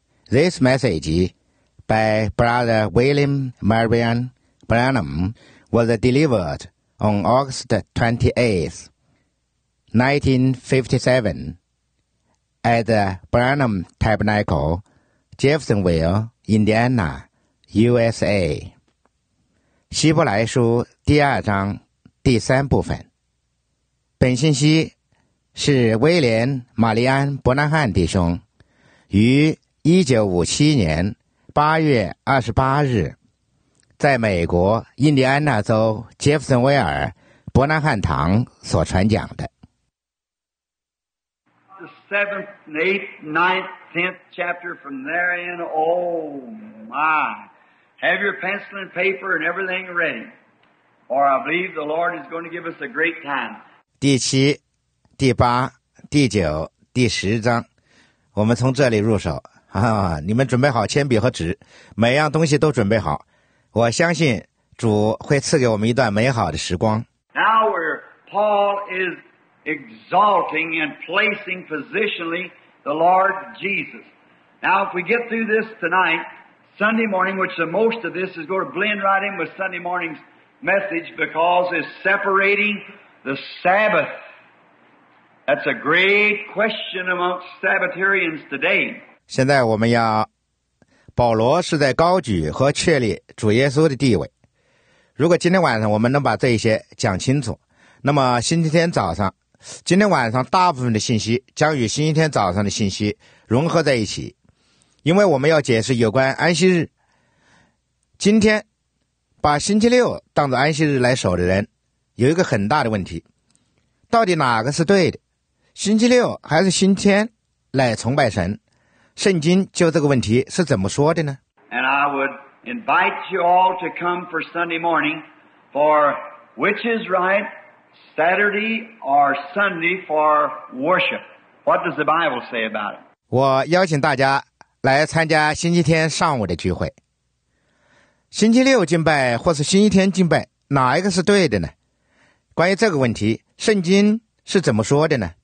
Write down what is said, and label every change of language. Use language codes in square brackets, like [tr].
[en] This message by Brother William Marion Branham was delivered on August 28, 1957 at the Branham Tabernacle, Jeffersonville, Indiana, USA. [zh] 希伯来书第二章第三部分。本信息是威廉·玛丽安·伯南汉弟兄于1957年8月28日在美国印第安纳州杰弗森威尔伯南汉堂所传讲的。 [en] The 7th, 8th, 9th, 10th chapter from therein, oh my, have your pencil and paper and everything ready, or I believe the Lord is going to give us a great time. [zh] 第七、第八、第九、第十章，我们从这里入手啊！你们准备好铅笔和纸，每样东西都准备好。我相信主会赐给我们一段美好的时光。 [en] Now where Paul is exalting and placing positionally the Lord Jesus. Now if we get through this tonight, Sunday morning, which the most of this is going to blend right in with Sunday morning's message because it's separating. The Sabbath, that's a great question amongst Sabbatarians today. [zh] 现在我们要，保罗是在高举和确立主耶稣的地位。如果今天晚上我们能把这些讲清楚，那么星期天早上，今天晚上大部分的信息将与星期天早上的信息融合在一起，因为我们要解释有关安息日。今天，把星期六当作安息日来守的人有一个很大的问题，到底哪个是对的？星期六还是星期天来崇拜神？圣经就这个问题是怎么说的呢？ [en] And I would invite you all to come for Sunday morning, for which is right, Saturday or Sunday for worship. What does the Bible say about it? [zh] 我邀请大家来参加星期天上午的聚会。星期六敬拜或是星期天敬拜，哪一个是对的呢？关于这个问题，圣经是怎么说的呢？